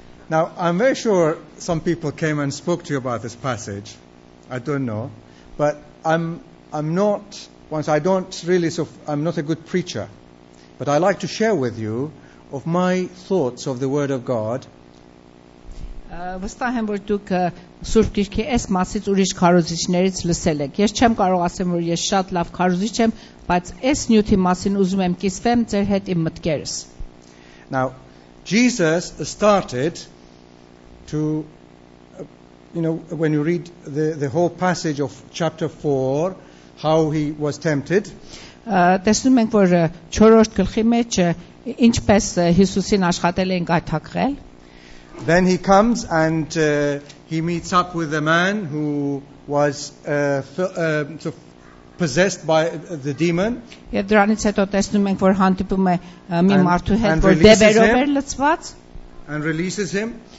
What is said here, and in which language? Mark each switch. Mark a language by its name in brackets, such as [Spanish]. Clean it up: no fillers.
[English] Now, I'm very sure some people came and spoke to you about this passage. I don't know. But I'm not a good preacher. But I like to share with you of my thoughts of the Word of God. [Armenian] Վստահ եմ, որ դուք Սուրբ Գիրքի այս մասից ուրիշ քարոզիչներից լսել եք։ Ես չեմ կարող ասեմ, որ ես շատ լավ քարոզիչ եմ, բայց այս նյութի մասին ուզում եմ կիսվեմ ձեր հետ իմ մտքերս։ [English] Now, Jesus started to, you know, when you read the whole passage of chapter 4, how he was tempted. [Armenian] Տեսնում ենք, որ 4-րդ գլխի մեջ ինչպես Հիսուսին աշխատել էին կայթակղել։ [English] Then he comes and he meets up with a man who was possessed by the demon. And releases him.